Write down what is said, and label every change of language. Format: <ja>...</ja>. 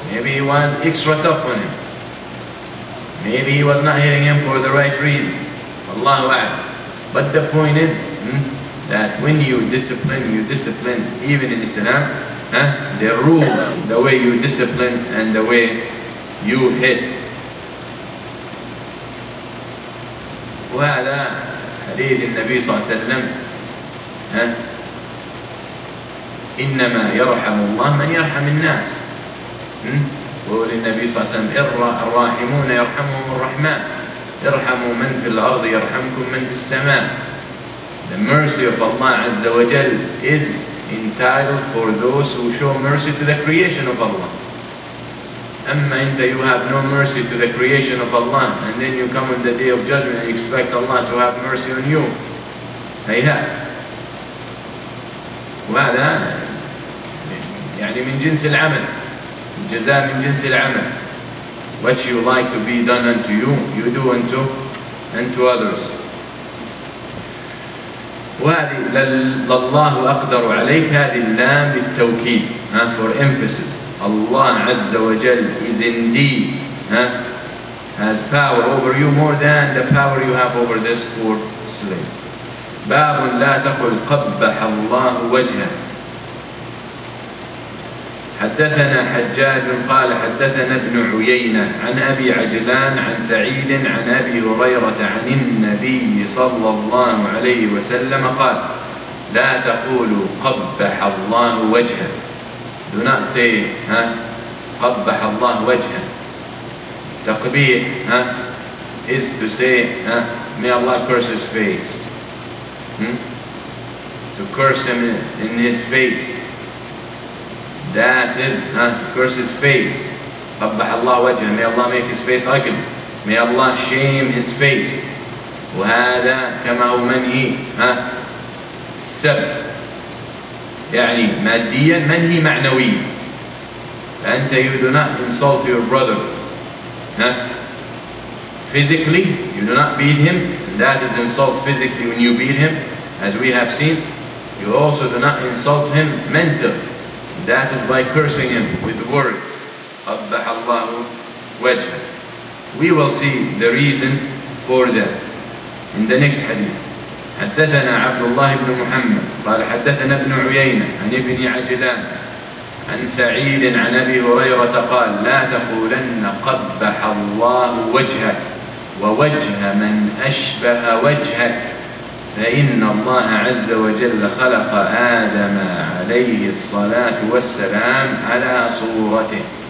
<en>Maybe he was extra tough on him. Maybe he was not hitting him for the right reason. Allahu a'lam. But the point is that when you discipline even in Islam, there are rules the way you discipline and the way you hit.</en> <ar>وهذا حديث النبي صلى الله عليه وسلم إنما يرحم الله من يرحم الناس وقول النبي صلى الله عليه وسلم الراحمون يرحمهم الرحمن ارحموا من في الأرض يرحمكم من في السماء.</ar> <en>The mercy of Allah عز وجل is entitled for those who show mercy to the creation of Allah.</en> <ar>أما أنت,</ar> <en>you have no mercy to the creation of Allah, and then you come on the day of judgment and you expect Allah to have mercy on you.</en> <ar>هيهات. وهذا يعني من جنس العمل. الجزاء من جنس العمل.</ar> <en>What you like to be done unto you, you do unto others.</en> <ar>وهذه لله أقدر عليك, هذه اللام بالتوكيد,</ar> <en>for emphasis. Allah Azza wa Jal is indeed, has power over you more than the power you have over this poor slave.</en> <ar>باب لا تقل قبح الله وجهه. حدثنا حجاج قال حدثنا ابن عيينة عن أبي عجلان عن سعيد عن أبي هريرة عن النبي صلى الله عليه وسلم قال لا تقولوا قبح الله وجهه.</ar> <en>Do not say</en> <ar>قبح الله وجهه.</ar> <en>تقبيح is to say may Allah curse his face. To curse him in his face. That is to curse his face.</en> <ar>قبح الله وجهه.</ar> <en>May Allah make his face ugly. May Allah shame his face.</en> <ar>وهذا كما هو منهي السبب. يعني ماديا منهي معنويا. فأنت</ar> <en>you do not insult your brother. Physically, you do not beat him. That is insult physically when you beat him, as we have seen. You also do not insult him mentally. That is by cursing him with words.</en> <ar>قبح الله وجهه.</ar> <en>We will see the reason for that in the next hadith.</en> <ar>حدثنا عبد الله بن محمد قال حدثنا ابن عيينة عن ابن عجلان عن سعيد عن أبي هريرة قال لا تقولن قبح الله وجهك ووجه من أشبه وجهك فإن الله عز وجل خلق آدم عليه الصلاة والسلام على صورته.</ar>